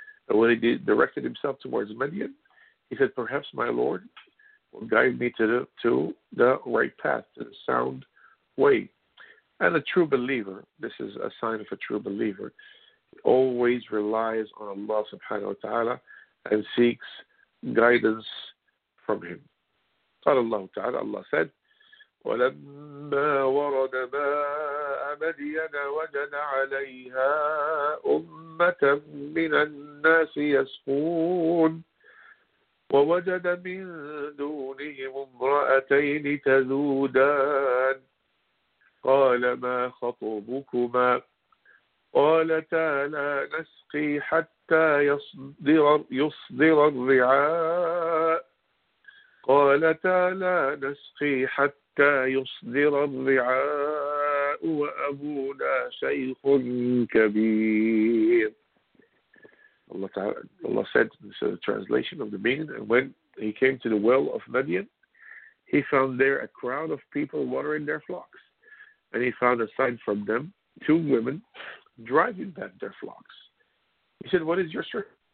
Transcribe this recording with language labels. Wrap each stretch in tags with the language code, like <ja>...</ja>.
<en>When he directed himself towards Midian, he said, perhaps my Lord will guide me to the right path, to the sound way. And a true believer, this is a sign of a true believer, always relies on Allah subhanahu wa ta'ala and seeks guidance from Him.</en> <ar>قال الله تعالى,</ar> <en>Allah said,</en> <ar>وَلَمَّا وَرَدَ مَاءَ مَدْيَنَ وَجَدَ عَلَيْهَا أُمَّةً مِنَ النَّاسِ يَسْقُونَ وَوَجَدَ مِن دُونِهِمُ امْرَأَتَيْنِ تَذُودَانِ قال ما خطبكما قالتا لا نسقي حتى يصدر الرعاء قالتا لا نسقي حتى يصدر الرعاء وأبونا شيخ كبير.</ar> <en>Allah said, this is a translation of the meaning, and when he came to the well of Madian, he found there a crowd of people watering their flocks. And he found a sign from them, two women, driving back their flocks. He said, what is your story?</en>